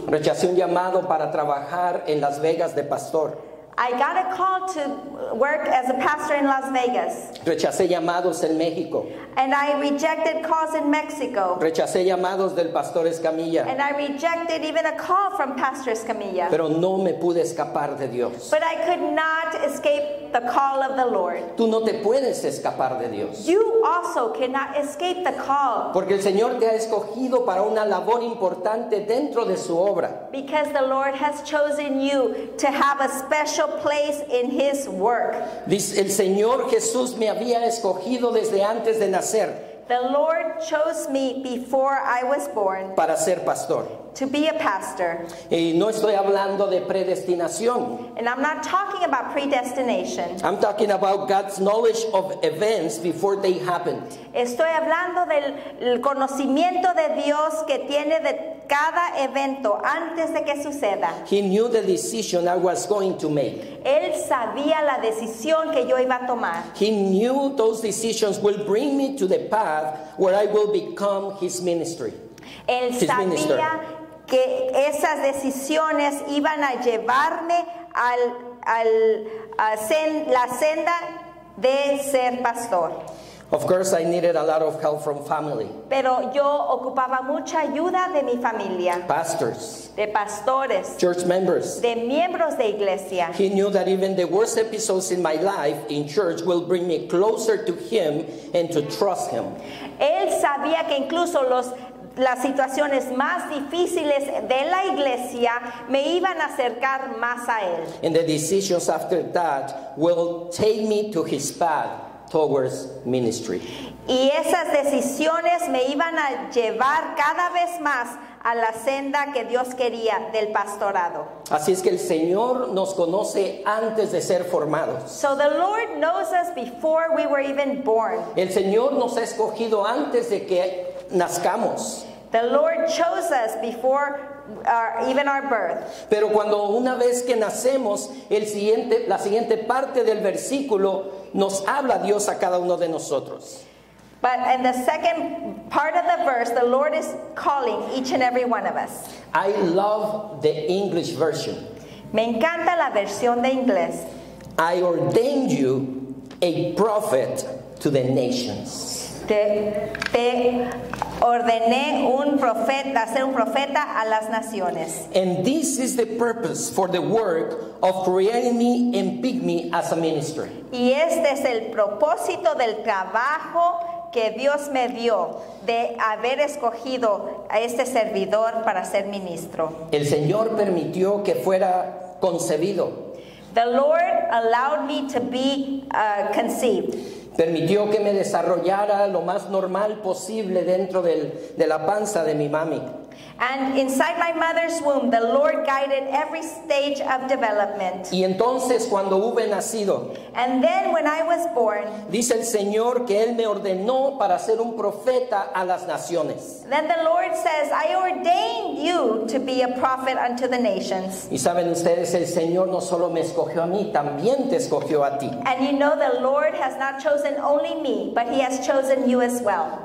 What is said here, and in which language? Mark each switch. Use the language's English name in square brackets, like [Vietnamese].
[Spanish] Rechacé un llamado para trabajar en Las Vegas de pastor. [English] I got a call to work as a pastor in Las Vegas. [Spanish] Rechacé llamados en México. [English] And I rejected calls in Mexico. [Spanish] Rechacé llamados del pastor Escamilla. [English] And I rejected even a call from Pastor Escamilla. [Spanish] Pero no me pude escapar de Dios. [English] But I could not escape the call of the Lord. [Spanish] Tú no te puedes escapar de Dios. [English] You also cannot escape the call. [Spanish] Porque el Señor te ha escogido para una labor importante dentro de su obra. [English] Because the Lord has chosen you to have a special place in His work. [Spanish] El Señor Jesús me había escogido desde antes de nacer. [English] The Lord chose me before I was born. [Spanish] Para ser pastor. [English] To be a pastor. [Spanish] Y no estoy hablando de predestinación. [English] And I'm not talking about predestination. I'm talking about God's knowledge of events before they happened. [Spanish] Estoy hablando del conocimiento de Dios que tiene de cada evento antes de que suceda. [English] He knew the decision I was going to make. [Spanish] Él sabía la decisión que yo iba a tomar. [English] He knew those decisions will bring me to the path where I will become His ministry. [Spanish] Él sabía que esas decisiones iban a llevarme a la senda de ser pastor. [English] Of course, I needed a lot of help from family. [Spanish] Pero yo ocupaba mucha ayuda de mi familia. [English] Pastors. [Spanish] De pastores. [English] Church members. [Spanish] De miembros de iglesia. [English] He knew that even the worst episodes in my life in church will bring me closer to him and to trust him. [Spanish] Él sabía que incluso las situaciones más difíciles de la iglesia me iban a acercar más a él. [English] And the decisions after that will take me to his path towards ministry. [Spanish] Y esas decisiones me iban a llevar cada vez más a la senda que Dios quería del pastorado. Así es que el Señor nos conoce antes de ser formados. [English] So the Lord knows us before we were even born. [Spanish] El Señor nos ha escogido antes de que nazcamos. [English] The Lord chose us before even our birth. [Spanish] Pero cuando una vez que nacemos, la siguiente parte del versículo nos habla Dios a cada uno de nosotros. [English] But in the second part of the verse, the Lord is calling each and every one of us. I love the English version. [Spanish] Me encanta la versión de inglés. [English] I ordain you a prophet to the nations. [Spanish] Te ordené un profeta, ser un profeta a las naciones. [English] And this is the purpose for the work of creating me and pick me as a minister. [Spanish] Y este es el propósito del trabajo que Dios me dio de haber escogido a este servidor para ser ministro. El Señor permitió que fuera concebido. [English] The Lord allowed me to be conceived. [Spanish] Permitió que me desarrollara lo más normal posible dentro de la panza de mi mami. [English] And inside my mother's womb, the Lord guided every stage of development. [Spanish] Y entonces, cuando hube nacido, [English] and then when I was born, [Spanish] dice el Señor que Él me ordenó para ser un profeta a las naciones. [English] Then the Lord says, I ordained you to be a prophet unto the nations. [Spanish] Y saben ustedes, el Señor no solo me escogió a mí, también te escogió a ti. [English] And you know the Lord has not chosen only me, but he has chosen you as well.